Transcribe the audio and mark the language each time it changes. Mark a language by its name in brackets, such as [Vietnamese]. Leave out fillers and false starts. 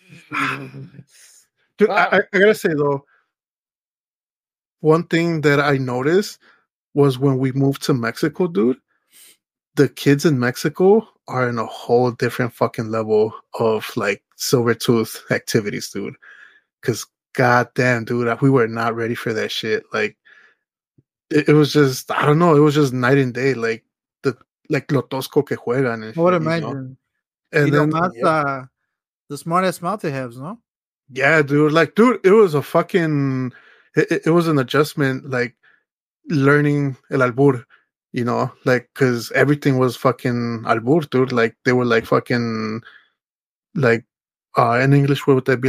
[English] Dude, I gotta say, though, one thing that I noticed was when we moved to Mexico, dude, the kids in Mexico are in a whole different fucking level of, like, silver tooth activities, dude. Because, goddamn, dude, we were not ready for that shit. Like, it was just, I don't know, it was just night and day. Like, [Spanish] lo tosco que juegan. [English] I would imagine. Know? And then, the smartest mouth they have, no? Yeah, dude. Like, dude, it was a fucking, it was an adjustment, like, learning el albur. You know, like, because everything was fucking albur, dude. Like, they were, like, fucking, like, in English, what would that be?